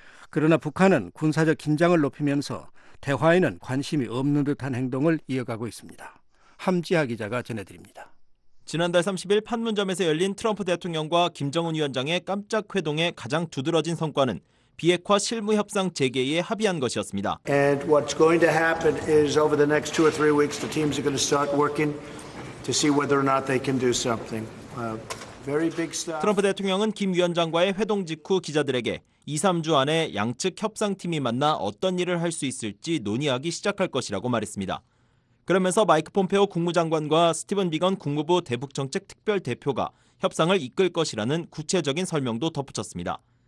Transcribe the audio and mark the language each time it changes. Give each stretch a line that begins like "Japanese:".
Korean: 그러나 북한은 군사적 긴장을 높이면서 대화에는 관심이 없는 듯한 행동을 이어가고 있습니다. 함지하 기자가 전해드립니다. 지난달 30일 판문점에서 열린 트럼프 대통령과 김정은 위원장의 깜짝 회동의 가장 두드러진 성과는 비핵화 실무 협상 재개에 합의한 것이었습니다.
English: And what's going to happen is over the next two or three weeks, the teams are going to start working to see whether or not they can do something. Very big stuff.
Korean: 트럼프 대통령은 김 위원장과의 회동 직후 기자들에게 2, 3주 안에 양측 협상 팀이 만나 어떤 일을 할 수 있을지 논의하기 시작할 것이라고 말했습니다. 그러면서 마이크 폼페오 국무장관과 스티븐 비건 국무부 대북정책특별대표가 협상을 이끌 것이라는 구체적인 설명도 덧붙였습니다.